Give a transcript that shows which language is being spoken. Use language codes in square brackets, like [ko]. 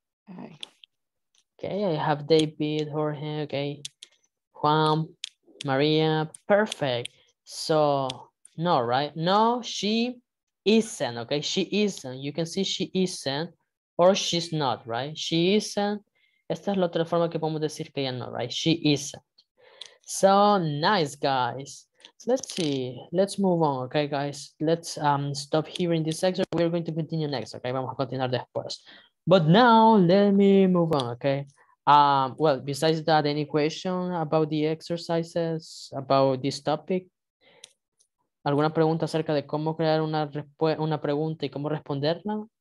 [en] A. Okay, I have David, Jorge, okay. Juan. Maria, perfect. So, no, right? No, she isn't, okay? She isn't. You can see she isn't or she's not, right? She isn't. [es] Esta es la otra forma que podemos decir que ya no, right? [en] She isn't. So, nice, guys. Let's see. Let's move on, okay, guys? Let's stop here in this section. We're going to continue next, okay? [es] Vamos a continuar después. [en] But now, let me move on, okay? Well, besides that, any question about the exercises, about this topic? [es] ¿Alguna pregunta acerca de cómo crear una pregunta y cómo responderla?